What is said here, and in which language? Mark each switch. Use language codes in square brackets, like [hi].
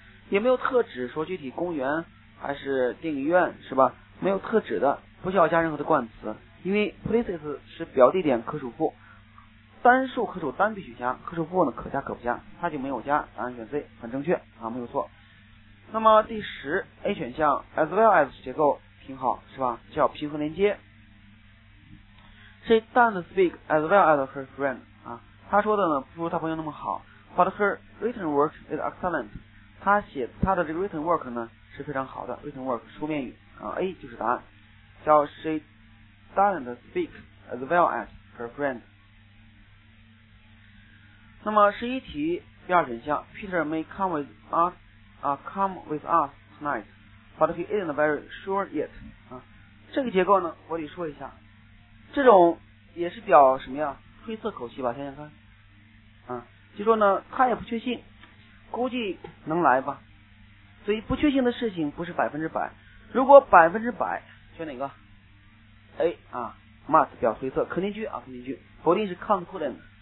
[zh] 也没有特指说具体公园还是电影院是吧，没有特指的，不需要加任何的冠词，因为 places 是表地点可数复单数，可数单必须加，可数复呢可加可不加，它就没有加，答案选 C 很正确啊，没有错。那么第十 A 选项 as well as 结构挺好是吧，叫平衡连接， [en] she doesn't speak as well as her friend [zh] 啊，她说的呢不如她朋友那么好， [en] But her written work is excellent， [zh] 她的这个 written work 呢是非常好的， written work 书面语啊， A 就是答案，叫 [en] she doesn't speak as well as her friend。那么十一题第二选项 Peter may come with us come with us tonight but he isn't very sure yet 啊， [zh] 这个结构呢我得说一下，这种也是表什么呀，推测口气吧，想想看。就说呢他也不确信，估计能来吧。所以不确信的事情不是百分之百，如果百分之百选哪个 A 啊 must 表推测肯定句啊，肯定句，否定是 confident。